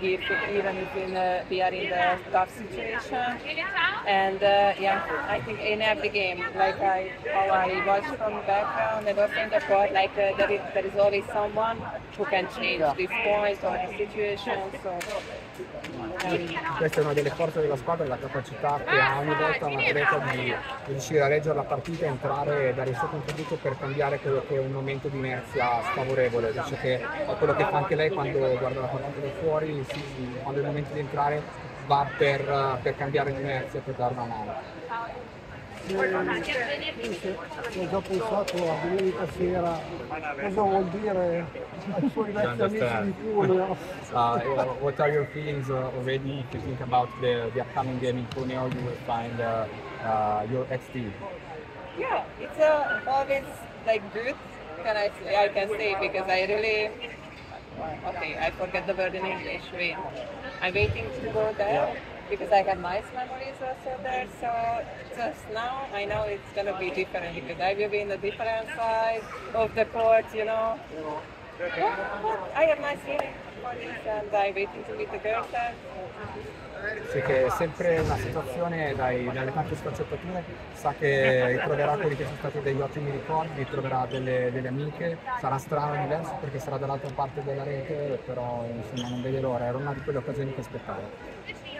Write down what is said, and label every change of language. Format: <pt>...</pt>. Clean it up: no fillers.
<en>even if we are in the tough situation. And I think in every game, how I watch from background and also in the court, there is always someone who can change, yeah, this point or the situation. So.</en> <it>Questa è una delle forze della squadra, la capacità che ha ogni volta una Greta di riuscire a leggere la partita, entrare e dare il suo contributo per cambiare quello che è un momento di inerzia sfavorevole, cioè che è quello che fa anche lei quando guarda la partita da fuori, quando è il momento di entrare va per cambiare l'inerzia, per dare una mano. Ho già pensato a domenica sera, cosa vuol dire ai suoi vecchi amici di Cuneo?</it> <en>What are your feelings already if you think about the upcoming game in Cuneo, you will find your ex-team? Yeah, it's always good, I can say, because I really... Okay, I forget the word in English. I'm waiting to go there. Yeah. Because I had my memories also there, so just now I know it's gonna be different because I will be in a different side of the court, you know. But I have my feeling for this and I'm waiting to meet the girls there.</en> <it>Sì, che è sempre una situazione dalle tante sfaccettature, sa che troverà quelli che sono stati degli ottimi ricordi, troverà delle amiche, sarà strano e diverso perché sarà dall'altra parte della rete, però insomma non vede l'ora, era una di quelle occasioni che aspettavo.</it>